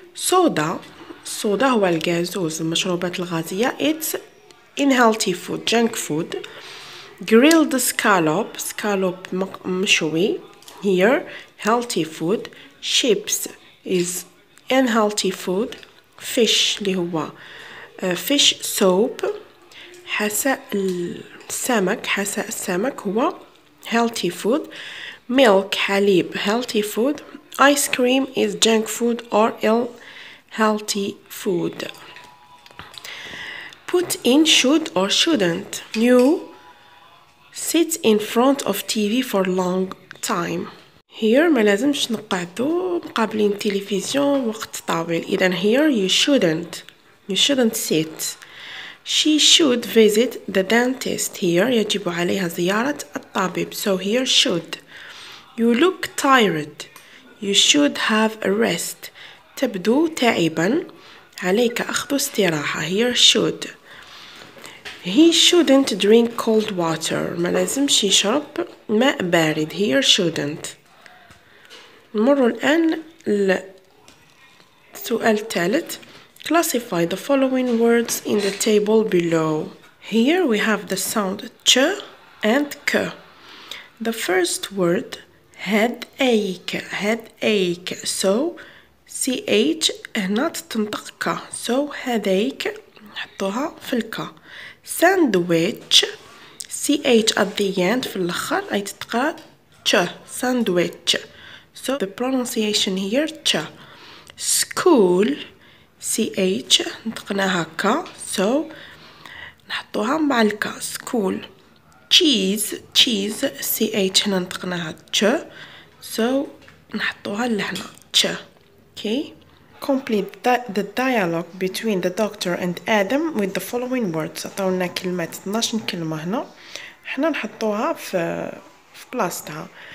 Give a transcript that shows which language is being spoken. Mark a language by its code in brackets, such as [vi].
[en] Soda. [ar] الصودا هو الغازوز المشروبات الغازية. [en] It's unhealthy food, junk food. Grilled scallop. Scallop مشوي. Here, healthy food. Chips is unhealthy food. Fish [ar] اللي هو [en] fish soup. [ar] حساء السمك. حساء السمك هو [en] healthy food. Milk, حليب, healthy food. Ice cream is junk food or ill healthy food. Put in should or shouldn't. You sit in front of TV for long time. [ar] Here ما لازمش نقعدو مقابلين تلفزيون وقت طويل. [en] إذن here you shouldn't. You shouldn't sit. She should visit the dentist. [ar] Here يجب عليها زيارة الطبيب. [en] So here should. You look tired. You should have a rest. [ar] تبدو تعبا عليك أخذ استراحة. [en] Here should. He shouldn't drink cold water. [ar] ما لازمش يشرب ماء بارد. [en] Here shouldn't. [ar] نمر الآن السؤال الثالث. [en] Classify the following words in the table below. Here we have the sound ch and k. The first word headache. Headache. [ar] So CH هنات تنطقك. So headache نحطوها في الك. [en] Sandwich CH at the end [ar] في الأخر أي تتقرأ [en] ch. Sandwich. So the pronunciation here ch. School CH [ar] نطقناها ك. So نحطوها مع الك. [en] School. Cheese. Cheese CH [ar] هنا نطقناها [en] ch. So [ar] نحطوها لهنا [en] ch. Okay, complete the dialogue between the doctor and Adam with the following words. [ar] عطاونا كلمات 12 كلمة هنا. حنا نحطوها في بلاصتها.